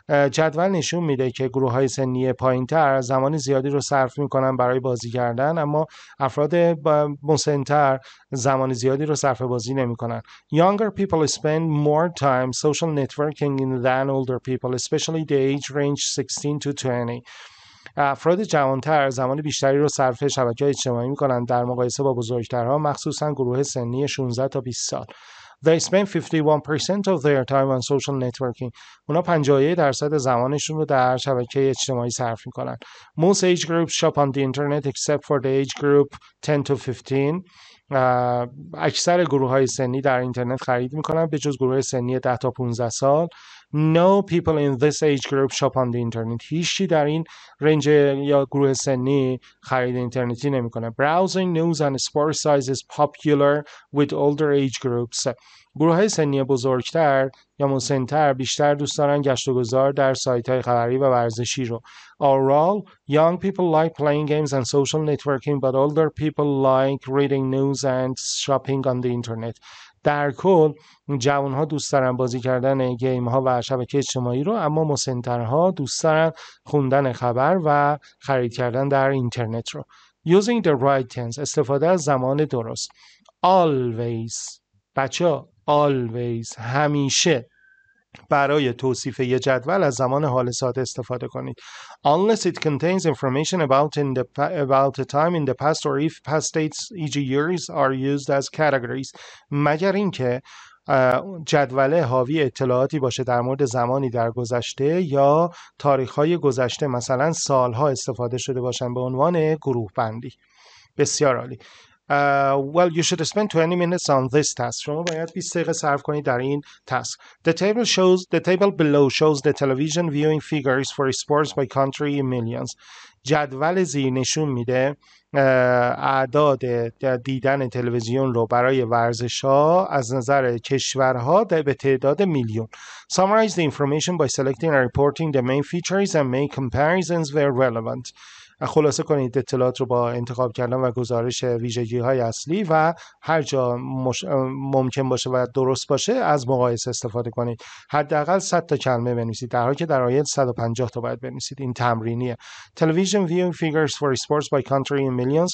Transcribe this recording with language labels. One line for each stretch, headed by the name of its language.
Persian: جدول نشون میده که گروه های سنی پایین‌تر زمان زیادی رو صرف میکنن برای بازی کردن، اما افراد مسن‌تر زمان زیادی رو صرف بازی نمیکنن.
English: Younger people spend more time social networking than older people, especially the age range 16 to 20.
Persian: افراد جوانتر زمان بیشتری رو صرف شبکه اجتماعی میکنن در مقایسه با بزرگترها، مخصوصا گروه سنی 16 تا 20 سال.
English: They spend 51% of their time on social networking.
Persian: اونا 51% زمانشون رو در شبکه اجتماعی صرف میکنن.
English: Most age groups shop on the internet except for the age group 10 to 15.
Persian: اکثر گروه های سنی در اینترنت خرید میکنن به جز گروه سنی 10 تا 15 سال.
English: No people in this age group shop on the internet.
Persian: هیچی در این رنج یا گروه سنی خرید اینترنتی نمی کنه.
English: Browsing news and sports sites is popular with older age groups.
Persian: گروه های سنی بزرگتر یا مسن‌تر بیشتر دوست دارن گشت و گذار در سایت های خبری و ورزشی رو.
English: Overall, young people like playing games and social networking, but older people like reading news and shopping on the internet.
Persian: در کل جوان ها دوست دارن بازی کردن گیم ها و شبکه اجتماعی رو، اما مسن‌تر ها دوست دارن خوندن خبر و خرید کردن در اینترنت رو.
English: Using the right tense,
Persian: استفاده از زمان درست. Always, بچه ها always همیشه برای توصیف یه جدول از زمان حال ساده استفاده کنید.
English: Unless it contains information about the time in the past or if past dates e.g. years are used as categories.
Persian: مگر اینکه جدول حاوی اطلاعاتی باشه در مورد زمانی در گذشته یا تاریخ‌های گذشته مثلا سال‌ها استفاده شده باشن به عنوان گروه بندی. بسیار عالی.
English: Well, you should spend 20 minutes on this task.
Persian: شما باید 20 دقیقه صرف کنید در این task.
English: The table below shows the television viewing figures for sports by country in millions.
Persian: جدول زیر نشون میده اعداد دیدن تلویزیون رو برای ورزش ها از نظر کشورها به تعداد میلیون.
English: Summarize the information by selecting and reporting the main features and make comparisons where relevant.
Persian: خلاصه کنید اطلاعات رو با انتخاب کردن و گزارش ویژگی های اصلی و هر جا ممکن باشه و درست باشه از مقایسه استفاده کنید. حداقل 100 تا کلمه بنویسید، در حالی که در آیه 150 تا باید بنویسید. این تمرینیه.
English: Television viewing figures for sports by country in millions.